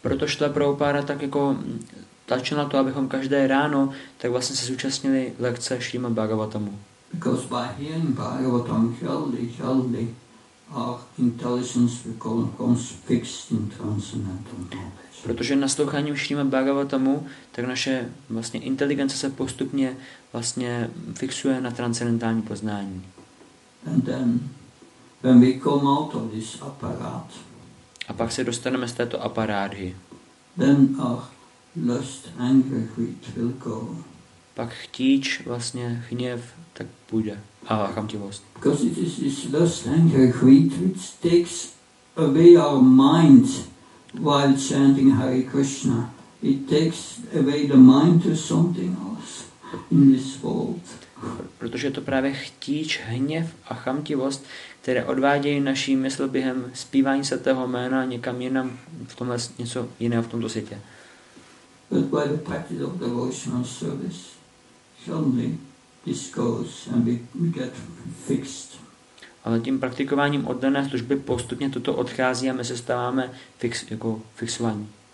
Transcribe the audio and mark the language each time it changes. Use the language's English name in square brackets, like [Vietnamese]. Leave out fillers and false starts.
[Czech] Proto Srila Prabhupada tak jako tlačil na to, abychom každé ráno tak vlastně se zúčastnili lekce Šrýma Bhagavatamu. [English] Because by hearing Bhagavatam healthy, our intelligence becomes fixed in transcendental knowledge. [Czech] Protože nasloucháním Šrýma Bhagavatamu, tak naše vlastně inteligence se postupně vlastně fixuje na transcendentální poznání. [English] And then, when we come out of this apparat, [Czech] a pak se dostaneme z této aparády, [English] then our lust, anger, greed will go. [Czech] Pak chtíč, vlastně hněv, tak půjde. A chamtivost. [English] Because it is this lust, anger, greed which takes away our mind while chanting Hare Krishna. It takes away the mind to something else in this world. [Czech] Protože je to právě chtíč, hněv a chamtivost, které odvádějí naší mysl během zpívání svatého jména někam jinam, v tomhle něco jiného v tomto světě. [English] But by the practice of devotional service, suddenly this goes and we get fixed. [Czech] Ale tím praktikováním oddané služby postupně toto odchází a my se stáváme fixovaní.